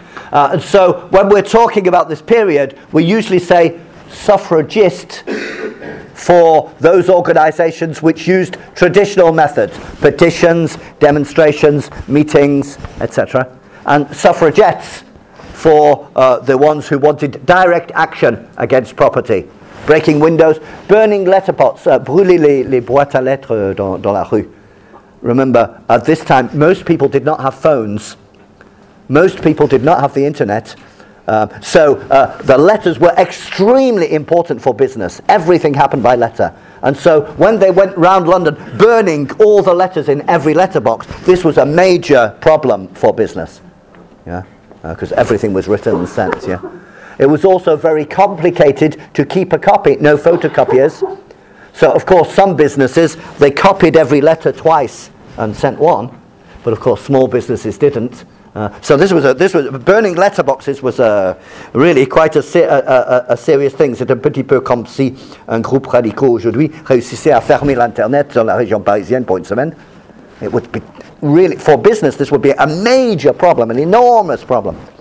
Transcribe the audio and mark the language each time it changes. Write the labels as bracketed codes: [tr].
[en] And so when we're talking about this period, we usually say suffragist for those organisations which used traditional methods, petitions, demonstrations, meetings, etc. And suffragettes for the ones who wanted direct action against property. Breaking windows, burning letter pots, [fr] brûler les boîtes à lettres dans la rue. [en] Remember, at this time, most people did not have phones. Most people did not have the internet. So the letters were extremely important for business. Everything happened by letter. And so when they went round London burning all the letters in every letterbox, this was a major problem for business. Yeah, because everything was written and sent, yeah. It was also very complicated to keep a copy. No photocopiers. So, of course, some businesses, they copied every letter twice and sent one. But, of course, small businesses didn't. So this was burning letterboxes was really quite a serious thing. [fr] C'est un petit peu comme si un groupe radical aujourd'hui réussissait à fermer l'internet dans la région parisienne pour une semaine. [en] It would be really, for business, this would be a major problem, an enormous problem.